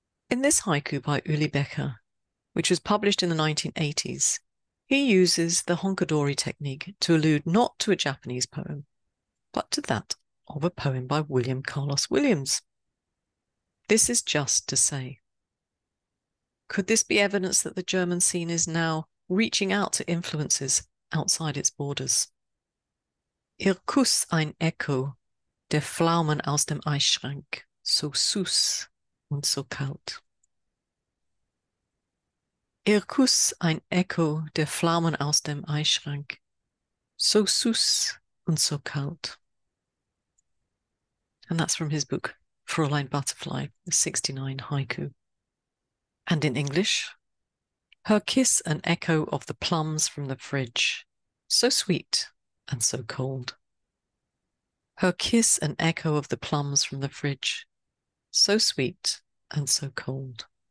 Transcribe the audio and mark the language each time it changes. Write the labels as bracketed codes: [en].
[en] In this haiku by Uli Becker, which was published in the 1980s, he uses the honkadori technique to allude not to a Japanese poem, but to that of a poem by William Carlos Williams. This is just to say, could this be evidence that the German scene is now reaching out to influences outside its borders? [de] Ihr Kuss ein Echo der Pflaumen aus dem Eisschrank, so süß und so kalt. Ihr Kuss ein Echo der Pflaumen aus dem Eisschrank, so süß und so kalt. [en] And that's from his book, Fräulein Butterfly, 69 Haiku. And in English, her kiss an echo of the plums from the fridge, so sweet and so cold. Her kiss an echo of the plums from the fridge, so sweet and so cold.